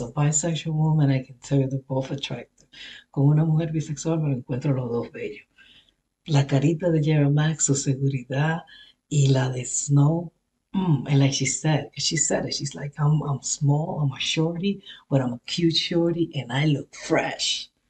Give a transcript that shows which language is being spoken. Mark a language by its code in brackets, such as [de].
[en] A bisexual woman, I can tell you they're both attractive. [es] Con una mujer bisexual me lo encuentro los dos bellos. La carita de Gera Max, su seguridad, y la de Snow. [en] And like she said it, she's like, I'm small, I'm a shorty, but I'm a cute shorty, and I look fresh.